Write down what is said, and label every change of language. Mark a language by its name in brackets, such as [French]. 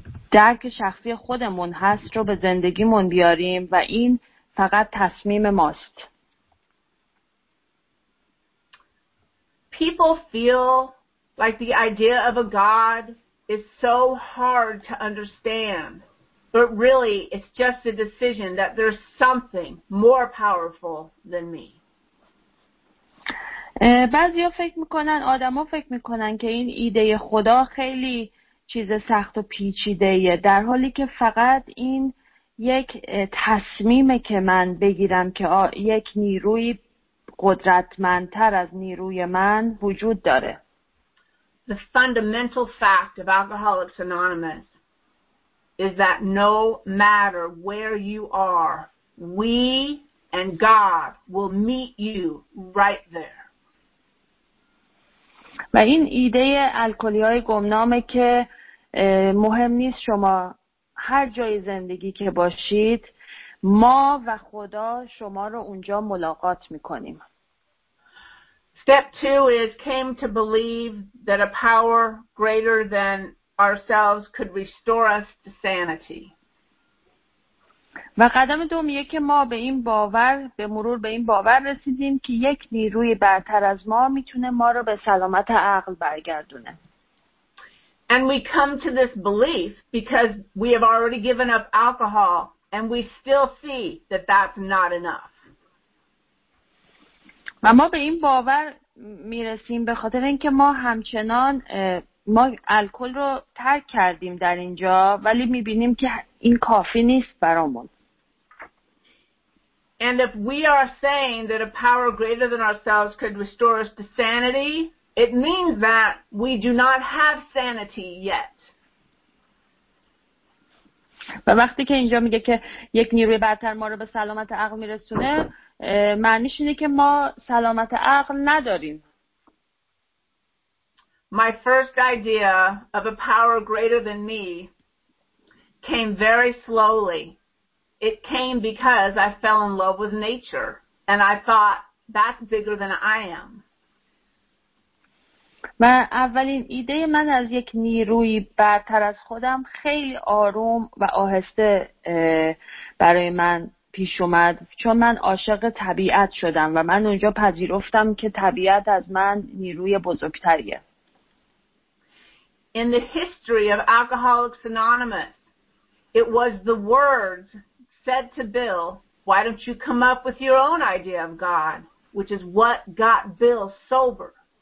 [Persian] درک شخصی خودمون هست رو به زندگیمون بیاریم و این فقط تصمیم ماست. [English] People feel like the idea of a God is so hard to understand, but really it's just a decision that there's something more powerful than me. [Persian] بعضیا فکر میکنن، آدما فکر میکنن که این ایده خدا خیلی چیز سخت و پیچیده‌ایه، در حالی که فقط این یک تصمیمه که من بگیرم که یک نیروی قدرتمندتر از نیروی من وجود داره. [English] The fundamental fact of Alcoholics Anonymous is that no matter where you are, we and God will meet you right there. [Persian] و این ایده الکلی‌های گمنامه که مهم نیست شما هر جای زندگی که باشید، ما و خدا شما رو اونجا ملاقات می‌کنیم. [English] Step 2 is came to believe that a power greater than ourselves could restore us to sanity. [Persian] و قدم دومیه که ما به این باور، به مرور به این باور رسیدیم که یک نیروی برتر از ما میتونه ما رو به سلامت عقل برگردونه. [English] And we come to this belief because we have already given up alcohol and we still see that that's not enough. [Persian] و ما به این باور میرسیم به خاطر اینکه ما همچنان ما الکل رو ترک کردیم در اینجا، ولی میبینیم که این کافی نیست برامون. [English] And if we are saying that a power greater than ourselves could restore us to sanity, it means that we do not have sanity yet. [Persian] و وقتی که اینجا میگه که یک نیروی برتر ما رو به سلامت عقل میرسونه، معنیش اینه که ما سلامت عقل نداریم. [English] My first idea of a power greater than me came very slowly. It came because I fell in love with nature and I thought that's bigger than I am. [Persian] ما اولین ایده من از یک نیروی برتر از خودم خیلی آروم و آهسته برای من پیش اومد، چون من عاشق طبیعت شدم و من اونجا پذیرفتم که طبیعت از من نیروی بزرگتریه. [English] In the history of Alcoholics Anonymous, it was the words said to Bill, why don't you come up with your own idea of God, which is what got Bill sober.